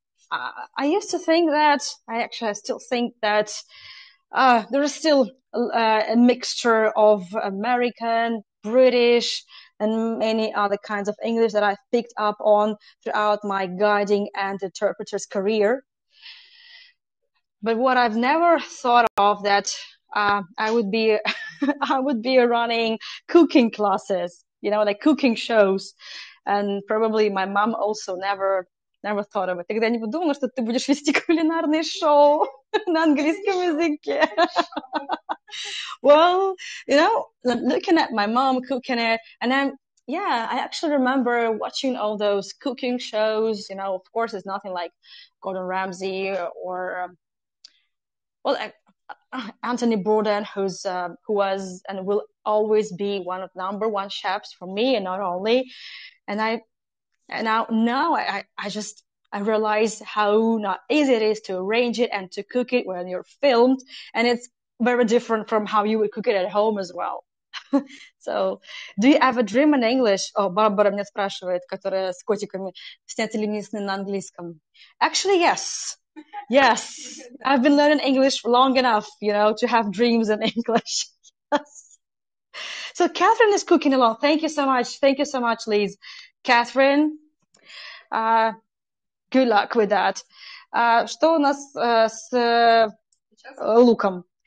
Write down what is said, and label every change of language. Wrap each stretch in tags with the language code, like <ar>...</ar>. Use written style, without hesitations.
<en>I used to think that, I still think that there is still a mixture of American, British, and many other kinds of English that I've picked up on throughout my guiding and interpreter's career. But what I've never thought of that I would be I would be running cooking classes, you know, like cooking shows, and probably my mom also never thought of it.</en> <ru>Тогда не подумала, что ты будешь вести кулинарное шоу на английском языке.</ru> <en>Well, you know, looking at my mom cooking it, and then yeah, I actually remember watching all those cooking shows. You know, of course, it's nothing like Gordon Ramsay or well, Anthony Bourdain, who's who was and will always be one of number one chefs for me, and not only. And I realize how not easy it is to arrange it and to cook it when you're filmed, and it's very different from how you would cook it at home as well. So, do you ever dream in English?</en> <ru>Oh, Барбара меня спрашивает, которая с котиками, снять ли мне сны на английском?</ru> <en>Actually, yes. Yes. I've been learning English long enough, you know, to have dreams in English. Yes. So, Catherine is cooking along. Thank you so much. Thank you so much, Liz. Catherine, good luck with that.</en> <ru>Что у нас с луком?</ru>